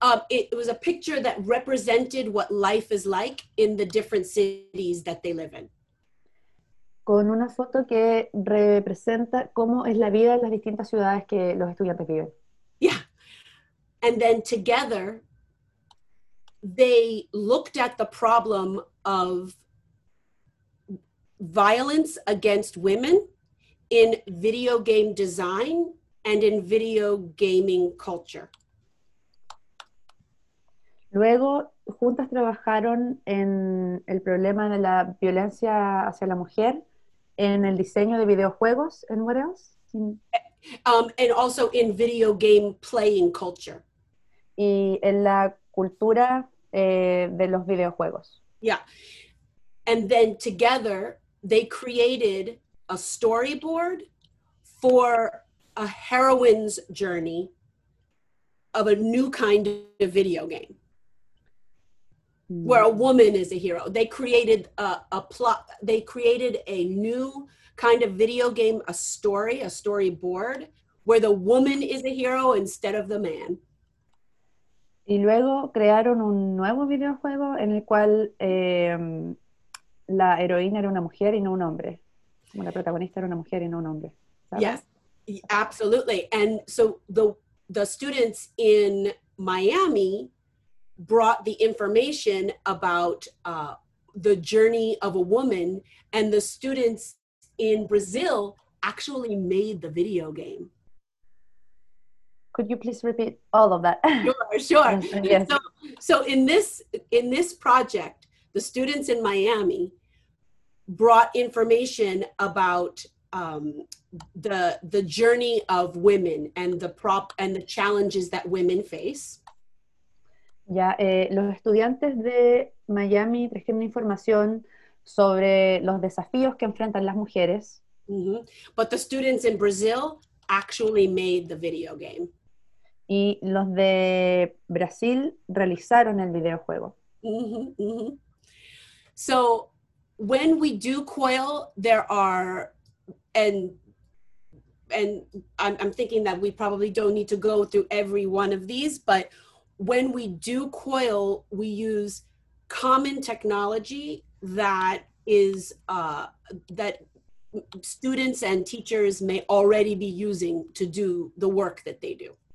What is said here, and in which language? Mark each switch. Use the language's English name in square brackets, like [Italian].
[English] It was a picture that represented what life is like in the different cities that they live in. [Spanish] Con una foto que representa cómo es la vida en las distintas ciudades que los estudiantes viven. [English] Yeah. And then together, they looked at the problem of violence against women in video game design and in video gaming culture. [Spanish] Luego, juntas trabajaron en el problema de la violencia hacia la mujer en el diseño de videojuegos. [English] And what else? And also in video game playing culture. [Spanish] Y en la cultura de los videojuegos. [English] Yeah. And then together, they created a storyboard for a heroine's journey of a new kind of video game where a woman is a hero. They created a plot, they created a new kind of video game, a storyboard where the woman is a hero instead of the man. [Spanish] Y luego crearon un nuevo videojuego en el cual la heroína era una mujer y no un hombre. Como la protagonista era una mujer y no un hombre. ¿Sabes? [English] Yes, absolutely. And so the students in Miami brought the information about the journey of a woman, and the students in Brazil actually made the video game. Could you please repeat all of that? Sure, sure. Yes. So in this project, the students in Miami brought information about the journey of women and the challenges that women face. [Spanish] Ya, los estudiantes de Miami trajeron información sobre los desafíos que enfrentan las mujeres. Mm-hmm. [English] But the students in Brazil actually made the video game. [Spanish] Y los de Brasil realizaron el videojuego. Mm-hmm, mm-hmm. [English] So when we do COIL, there are, and I'm thinking that we probably don't need to go through every one of these, but when we do COIL, we use common technology that is, that students and teachers may already be using to do the work that they do.